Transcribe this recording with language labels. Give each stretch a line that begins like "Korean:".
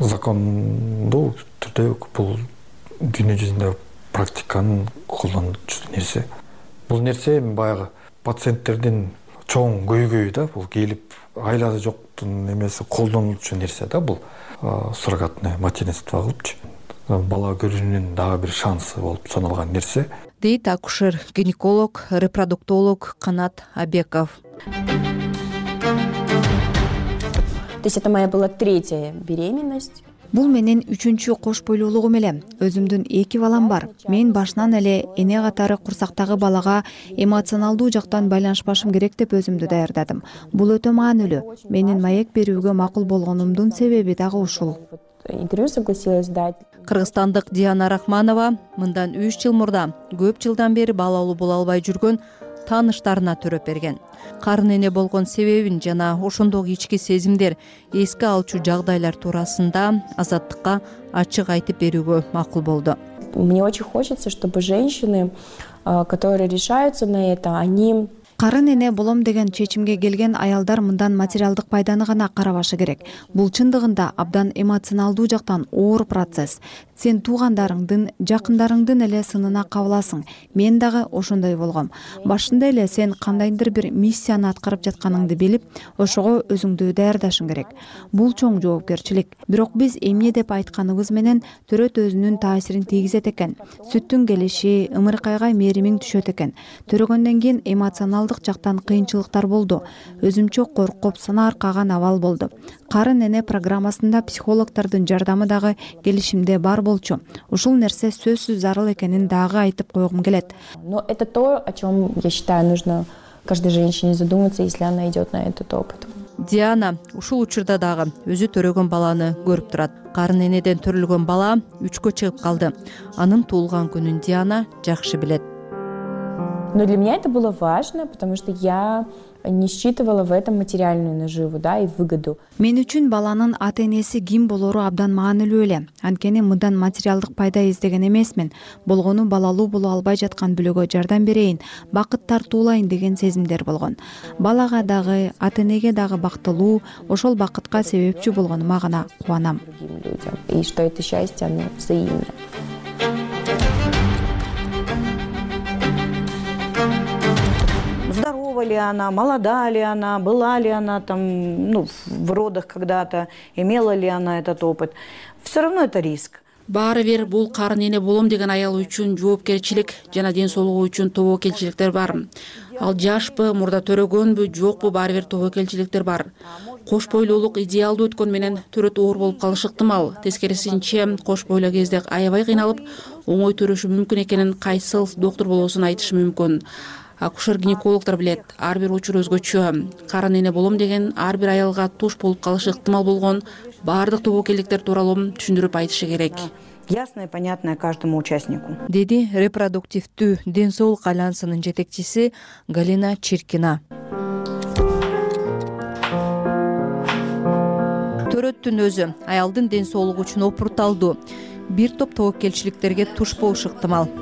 Kyrgyz: Закондуу түрдө бул дүйнө жүзүндө практиканын колдончу нерсе. Бул нерсе эми баягы пациенттердин чоң көйгөйү да, бул келип айласы жоктун эмеси колдонулчу нерсе да бул суррогатное материнство кылыпчы. Бала көрүүнүн дагы бир шансы болуп саналган нерсе. Дейт акушер, гинеколог, репродуктолог Канат Абеков.
Russian: То есть это моя была третья беременность.
Kyrgyz: Бул менин үчүнчү кош бойлуулугум эле. Өзүмдүн эки балам бар. Мен башынан эле эне катары курсактагы балага эмоционалдуу жактан байланышпашым керек деп өзүмдү даярдадым. Бул өтө маанилүү. Менин маек берүүгө макул болгонумдун себеби дагы ушул.
Russian: Интервью согласилась дать.
Kyrgyz: Кыргызстандык Диана Рахманова мындан 3 жыл мурда көп жылдан бери балалуу боло албай жүргөн тааныштарына төрөп берген. Карын эне болгон себебин жана ошондогу ички сезимдер, эске алчу жагдайлар туурасында азаттыкка ачык айтып берүүгө макул болду.
Russian: Мне очень хочется, чтобы женщины, которые решаются на это, они
Kyrgyz: Карын эне болом деген чечимге келген аялдар мындан материалдык пайданы гана карабашы керек. Бул чындыгында абдан эмоционалдуу жактан оор процесс. Сен туугандарыңдын, жакындарыңдын эле сынына кабыласың. Мен дагы ошондой болгом. Башында эле сен кандайдыр бир миссияны аткарып жатканыңды билип, ошого өзүңдү даярдашың керек. Бул чоң жоопкерчилик. Бирок биз эмне деп айтканыбыз менен төрөт өзүнүн таасирин тийгизет экен. Сүттүн келиши, ымыркайга мээримиң түшөт экен. Төрөгөндөн кийин эмоционалдык жактан кыйынчылыктар болду. Өзүмчө коркуп, сана аркаган абал болду. Карын эне программасында психологтордун жардамы дагы келишимде бар болчу. Ушул нерсе сөзсүз зарыл экенин дагы айтып койгум келет.
Russian: Но это то, о чём, я считаю, нужно каждой женщине задуматься, если она идёт на этот опыт.
Kyrgyz: Диана ушул учурда дагы өзү төрөгөн баланы көрүп турат. Карын энеден төрөлгөн бала 3-кө чыгып калды. Анын туулган күнүн Диана жакшы билет.
Russian: Но для меня это было важно, потому что я не считывала в этом материальную наживу, да, и выгоду.
Kyrgyz: Мен үчүн баланын ата-энеси ким болору абдан маанилүү эле. Анткени мындан материалдык пайда издеген эмесмин. Болгону балалуу боло албай жаткан бүлөгө жардам берейин, бакыт тартуулайын деген сезимдер болгон. Балага дагы, ата-энеге дагы бактылуу, ошол бакытка себепчи болгонума гана кубанам.
Russian: И что это счастье, оно взаимно. Здорова ли она, молода ли она, была ли она там, ну, в родах когда-то, имела ли она этот опыт. Все равно это риск.
Kyrgyz: Баары бир бул карын эне болом деген аял үчүн жоопкерчилик жана ден соолугу үчүн тобокелчиликтер бар. Ал жашпы, мурда төрөгөнбү, жокпу, баары бир тобокелчиликтер бар. Кош бойлуулук идеалдуу өткөн менен төрөт оор болуп калышы ыктымал. Тескерисинче, кош бойло кезде аябай кыйналып, оңой төрөшү мүмкүн экенин кайсыл доктур болосун айтышы мүмкүн. Акушер-гинекологтор билет, ар бир учур өзгөчө. Карын эне болом деген ар бир аялга туш болуп калышы ыктымал болгон баардык тобокелдиктер тууралуу түшүндүрүп айтышы керек.
Russian: Ясно и понятно каждому участнику.
Kyrgyz: Деди репродуктивдүү ден соолук альянсынын жетекчиси Галина Чиркина. Төрөттүн өзү аялдын ден соолугу үчүн опурталдуу. Бир топ тобокелчиликтерге туш болуш ыктымал.